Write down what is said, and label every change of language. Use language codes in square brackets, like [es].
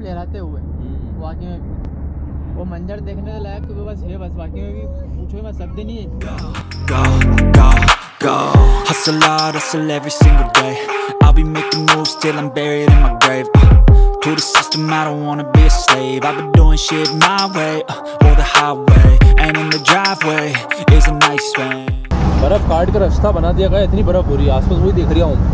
[hi] वो मंजर देखने लायक तो बस है, बस बाकी में भी पूछो मैं शब्द नहीं है। [en] Go, hustle hard, hustle every single day. I'll be making moves till I'm buried in my grave. To the system, I don't wanna be a slave. I've been doing shit my way, or the highway. And in the driveway is a nice way. [hi] बर्फ काट कर रास्ता बना दिया गया, इतनी बर्फ हो रही है आसपास, वही देख रहा हूँ